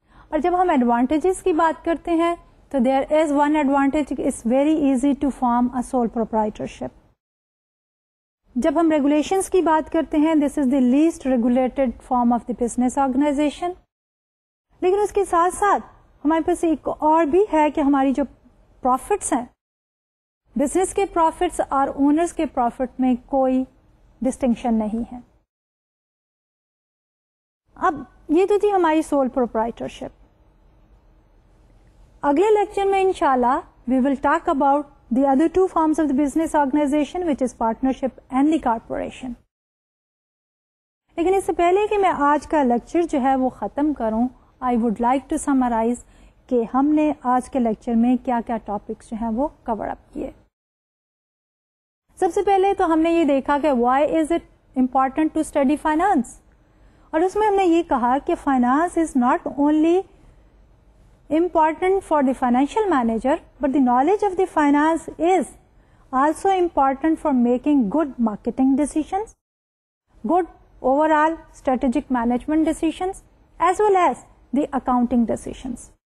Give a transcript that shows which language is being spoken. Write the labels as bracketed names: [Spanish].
[Urdu] اور جب ہم advantages کی بات کرتے ہیں تو [English] there is one advantage, it's very easy to form a sole proprietorship. [Urdu] جب ہم regulations کی بات کرتے ہیں, [English] this is the least regulated form of the business organization. [Urdu] لیکن اس کے ساتھ ساتھ ہمارے پاس ایک اور بھی ہے کہ ہماری جو profits ہیں, business کے profits اور owners کے profit میں کوئی distinction نہیں ہے. اب یہ تو تھی ہماری sole proprietorship. اگلے لیکچر میں انشاءاللہ [English] we will talk about the other two forms of the business organization, which is partnership and the corporation. [Urdu] لیکن اس سے پہلے کہ میں آج کا لیکچر جو ہے وہ ختم کروں, [English] I would like to summarize [Urdu] کہ ہم نے آج کے لیکچر میں کیا کیا ٹاپکس جو ہیں وہ کور اپ کیے. سب سے پہلے تو ہم نے یہ دیکھا کہ [English] why is it important to study finance, [Urdu] اور اس میں ہم نے یہ کہا کہ [English] Finance is not only important for the financial manager but the knowledge of the finance is also important for making good marketing decisions, good overall strategic management decisions, as well as the accounting decisions.